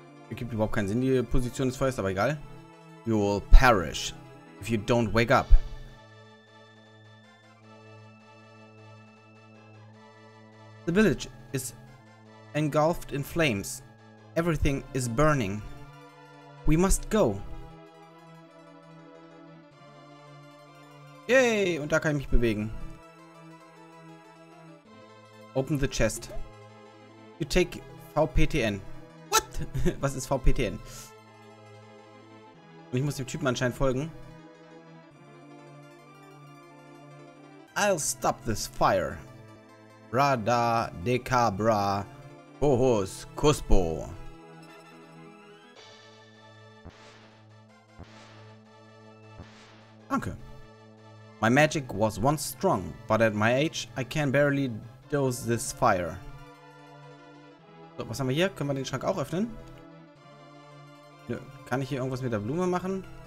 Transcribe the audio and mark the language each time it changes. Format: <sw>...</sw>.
<de>Ergibt überhaupt keinen Sinn, die Position des Feuers, aber egal.</de> <en>You will perish if you don't wake up. The village is engulfed in flames. Everything is burning. We must go.</en> <de>Yay, und da kann ich mich bewegen.</de> <en>Open the chest. You take VPTN. What?</en> <de>Was ist VPTN? Und ich muss dem Typen anscheinend folgen.</de> <en>I'll stop this fire. Rada decabra bohos cuspo.</en> <de>Danke.</de> <en>My magic was once strong, but at my age, I can barely douse this fire.</en> <de>So, was haben wir hier? Können wir den Schrank auch öffnen? Nö. Kann ich hier irgendwas mit der Blume machen?</de>